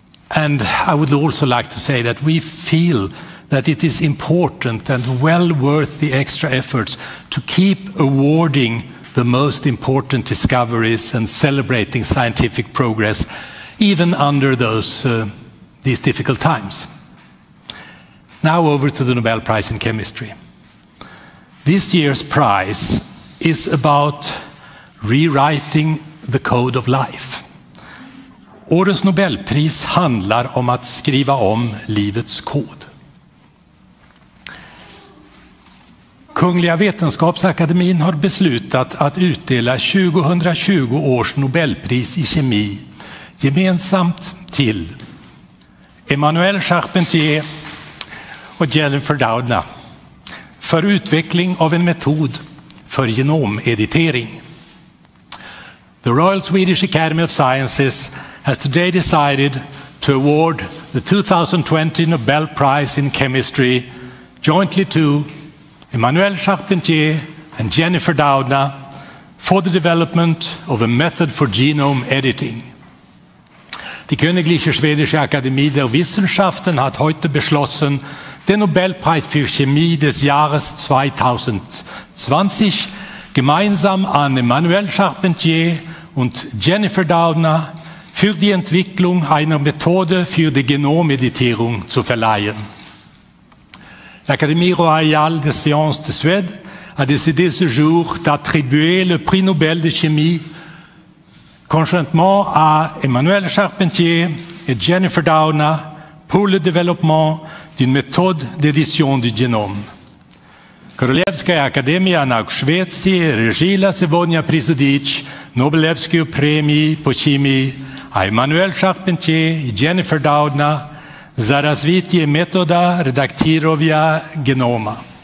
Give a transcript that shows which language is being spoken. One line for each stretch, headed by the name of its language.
English: And I would also like to say that we feel that it is important and well worth the extra efforts to keep awarding the most important discoveries and celebrating scientific progress, even under these difficult times. Now over to the Nobel Prize in Chemistry. This year's prize is about rewriting the code of life.
Swedish: Årets Nobelpris handlar om att skriva om livets kod. Kungliga Vetenskapsakademin har beslutat att utdela 2020 års Nobelpris i kemi gemensamt till Emmanuel Charpentier och Jennifer Doudna för utveckling av en metod för genomeditering.
English: The Royal Swedish Academy of Sciences has today decided to award the 2020 Nobel Prize in Chemistry jointly to Emmanuel Charpentier and Jennifer Doudna for the development of a method for genome editing.
German: Die Königliche Schwedische Akademie der Wissenschaften hat heute beschlossen, den Nobelpreis für Chemie des Jahres 2020 gemeinsam an Emmanuel Charpentier und Jennifer Doudna für die Entwicklung einer Methode für die Genomeditierung zu verleihen.
French: L'Académie royale des sciences de Suède a décidé ce jour d'attribuer le prix Nobel de chimie conjointement à Emmanuel Charpentier et Jennifer Doudna pour le développement d'une méthode d'édition du génome.
Russian: Королевская академия наук Швеции решила сегодня присудить Нобелевскую премию по химии а Эммануэль Шарпентье и Дженнифер Даудна за развитие метода редактирования генома.